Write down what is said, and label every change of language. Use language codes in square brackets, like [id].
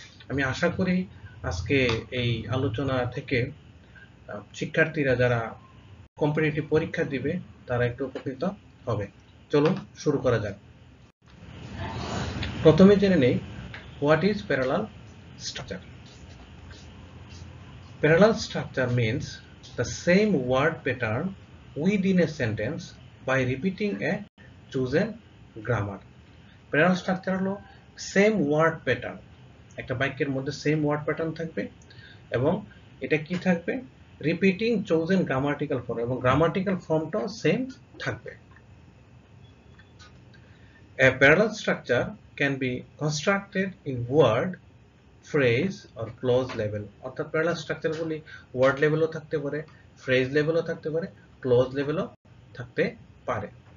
[bn] আমি আশা করি আজকে এই আলোচনা থেকে শিক্ষার্থীরা যারা কম্পিটিটিভ পরীক্ষা দিবে তারা একটু উপকৃত হবে। চলুন শুরু করা যাক। প্রথমে জেনে নেই [en] What is parallel structure. Parallel structure means the same word pattern within a sentence by repeating a chosen grammar. [bn] Parallel structure হলো same word pattern, একটা বাক্যের মধ্যে same word pattern থাকবে এবং এটা কি থাকবে, [en] repeating chosen grammatical form, [bn] এবং grammatical form টাও same থাকবে। [en] A parallel structure can be constructed in word phrase আর clause level, [bn] অর্থাৎ প্যারালাল স্ট্রাকচারগুলি ওয়ার্ড লেভেলও থাকতে পারে, ফ্রেজ লেভেলও থাকতে পারে, ক্লোজ লেভেলও থাকতে পারে।